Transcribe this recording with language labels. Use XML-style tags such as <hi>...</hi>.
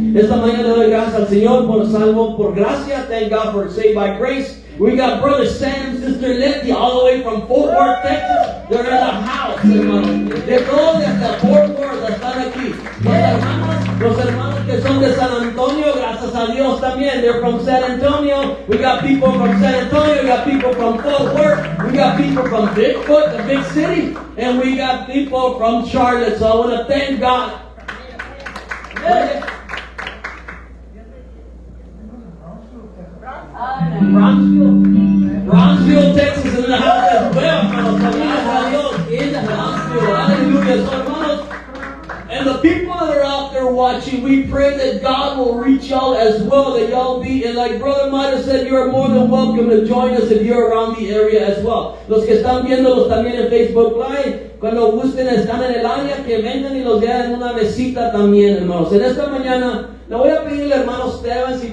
<es>Esta mañana doy gracias al Señor por salvo, por gracia.</es> <en>Thank God for saved by grace. We got Brother Sam, Sister Letty, all the way from Fort Worth, Texas. They're in the house,</en> <es>hermano. De todos hasta Fort Worth están aquí. Los hermanos que son de San Antonio, gracias a Dios también.</es> <en>They're from San Antonio. We got people from San Antonio. We got people from Fort Worth. We got people from Bigfoot, the big city. And we got people from Charlotte. So I want to thank God. Bronzeville, Texas is in the house as well.</en> <es>Gracias a Dios.</es> <en>In the Bronzeville. Hallelujah. And the people that are out there watching, we pray that God will reach y'all as well, that y'all be, and like Brother Mito said, you are more than welcome to join us if you're around the area as well.</en> <es>Los que están viéndolos también en Facebook Live, cuando gusten están en el área, que vengan y los vean en una mesita también, hermanos. En esta mañana, le voy a pedir al hermano Esteban si...</es>